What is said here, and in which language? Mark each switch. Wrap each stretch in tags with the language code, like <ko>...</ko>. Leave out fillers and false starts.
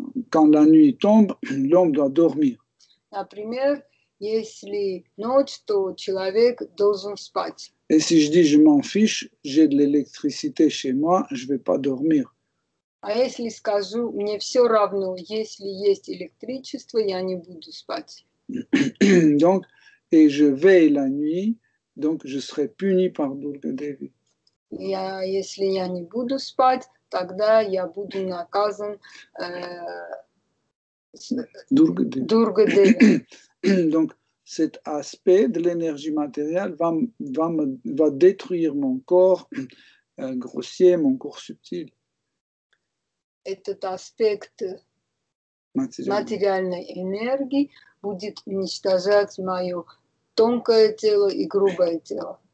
<ru>Когда ночь</ru> <fr>tombe, l'homme doit dormir.</fr> <ru>Например, если ночь, то человек должен спать.</ru> <fr>Et si je dis je m'en fiche, j'ai de l'électricité chez moi, je vais pas dormir.</fr> <ru>А если скажу, мне все равно, если есть электричество, я не буду спать.</ru> <fr>Donc, et je veille la nuit, donc je serai puni par Durga Devi.</fr> <ru>Я, если я не буду спать, тогда я буду наказан Durga Devi.</ru> <fr>Donc, cet aspect de l'énergie matérielle va détruire mon corps grossier, mon corps subtil.</fr> <ru>Этот аспект материальной энергии будет уничтожать мое тонкое тело и грубое тело.</ru>